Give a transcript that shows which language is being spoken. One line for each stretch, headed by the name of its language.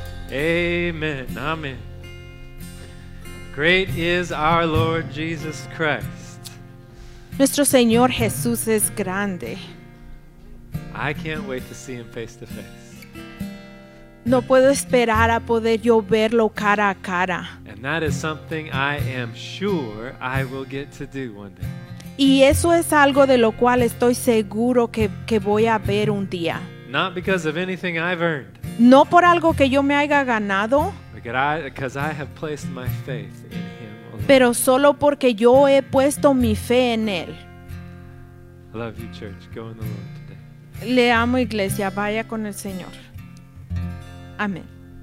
English: Amen, amen. Great is our Lord Jesus Christ.
Spanish: Nuestro Señor Jesús es grande.
English: I can't wait to see Him face to face.
Spanish: No puedo esperar a poder yo verlo cara a cara.
English: And that is something I am sure I will get to do one day.
Spanish: Y eso es algo de lo cual estoy seguro que voy a ver un día.
English: Not because of anything I've earned.
Spanish: No por algo que yo me haya ganado.
English: Because I have placed my faith in Him alone.
Spanish: Pero solo porque yo he puesto mi fe en Él.
English: I love you, church. Go in the Lord today.
Spanish: Le amo, iglesia. Vaya con el Señor. Amén.